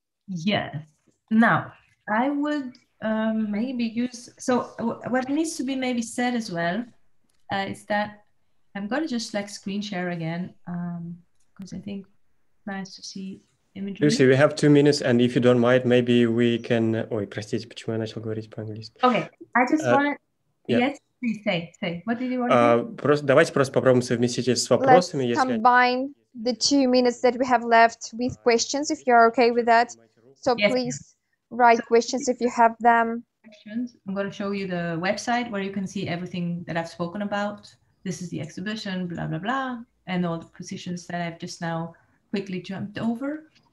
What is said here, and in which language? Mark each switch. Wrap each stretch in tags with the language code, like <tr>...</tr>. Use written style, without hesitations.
<en>Yes. Now, I would maybe use, so what needs to be maybe said as well, is that I'm going to just like screen share again, because I think it's nice to see imagery. Lucy, we have 2 minutes, and if you don't mind, maybe we can...</en> <ru>Ой, простите, почему я начал говорить по-английски?</ru> <en>Okay, I just want to... Yes, please say. What did you want to say?</en> <ru>Давайте просто попробуем совместить с вопросами.</ru> <en>Let's combine the 2 minutes that we have left with questions, if you're okay with that. So yes. Please write questions if you have them. I'm going to show you the website where you can see everything that I've spoken about. This is the exhibition, blah, blah, blah, and all the positions that I've just now quickly jumped over.</en>